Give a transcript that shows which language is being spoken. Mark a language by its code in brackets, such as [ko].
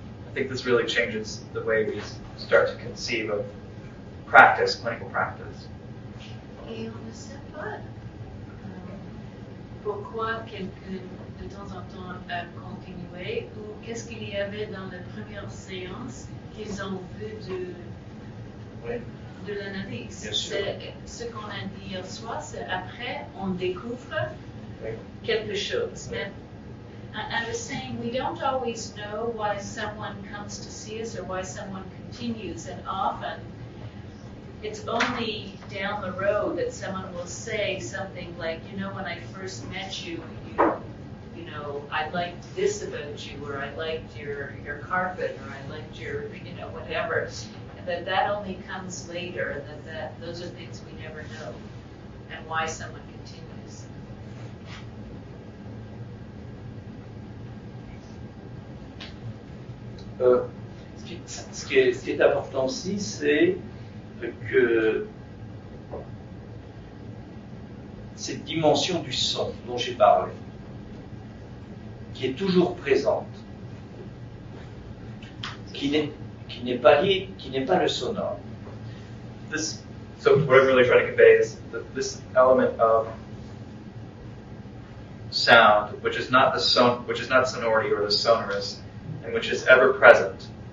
[en] I think this really changes the way we start to conceive of practice, clinical practice. [fr] Et on ne sait pas pourquoi quelqu'un de temps en temps a continué ou qu'est-ce qu'il y avait dans la première séance qu'ils ont vu de. De l'analyse. Ce qu'on a dit hier soir, c'est après, on découvre quelque chose. [en] Mais, I was saying, we don't always know why someone comes to see us or why someone continues. And often, it's only down the road that someone will say something like, you know, when I first met you, you know, I liked this about you, or I liked your carpet, or I liked your, you know, whatever. That only comes later, that those are things we never know, and why someone continues. [fr] Ce qui est important aussi, c'est que cette dimension du son dont j'ai parlé, qui est toujours présente, qui n'est pas le sonore. [en] This, so what I'm really trying to convey is this element of sound, which is not the sonority or the sonorous, and which is ever present.